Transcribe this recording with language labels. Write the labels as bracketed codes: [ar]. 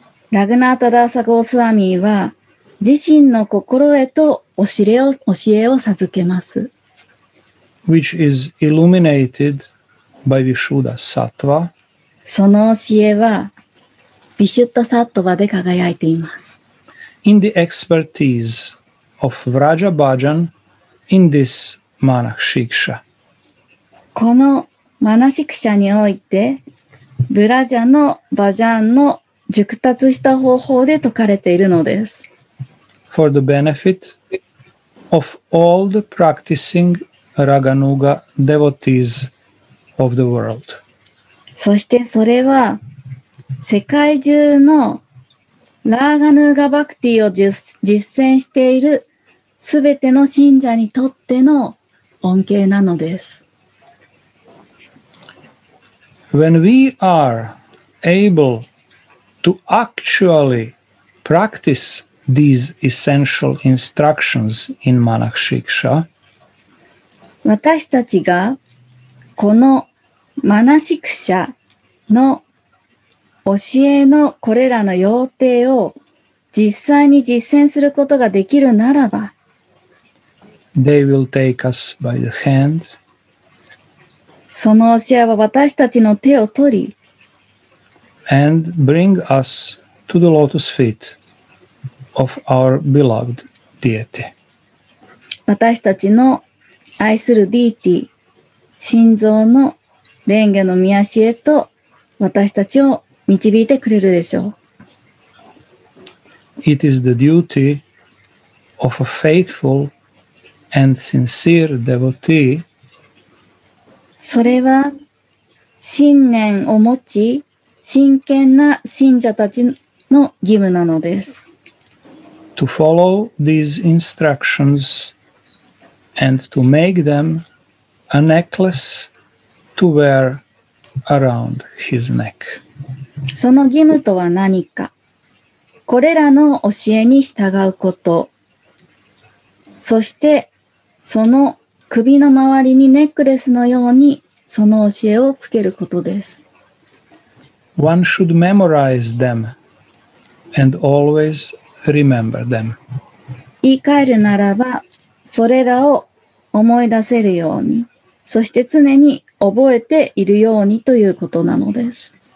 [ja] ラグナータ・ダーサ・ゴースワーミーは、自身の心へと教えを授けます。 [en] Which is illuminated by Vishuddha Sattva. [ja] その教えは、ビシュッタサットバで輝いています。 [en] In the expertise of Vraja Bhajan in this Manashiksha. [ja] このマナシクシャにおいて、ブラジャのバジャンの熟達した方法で説かれているのです。 [en] For the benefit of all the practicing Raganuga devotees of the world. [ja] そしてそれは、世界中のラーガヌーガバクティを実践しているすべての信者にとっての恩恵なのです。 [en] When we are able to actually practice these essential instructions in Manashiksha, [ja] 私たちがこのマナシクシャの教えのこれらの要諦を実際に実践することができるならば、 [en] They will take us by the hand. [ja] その教えは私たちの手を取り、 [en] And bring us to the lotus feet of our beloved deity. [ja] 私たちの愛するディーティ、心臓の蓮華の御足へと私たちを導いてくれるでしょう。 [en] It is the duty of a faithful and sincere devotee. [ja] それは信念を持ち真剣な信者たちの義務なのです。 [en] To follow these instructions and to make them a necklace to wear around his neck. [ja] その義務とは何か。これらの教えに従うこと。そして、その首の周りにネックレスのようにその教えをつけることです。 [en] One should memorize them and always remember them. [ja] 言い換えるならば、それらを思い出せるように、そして常に覚えているようにということなのです。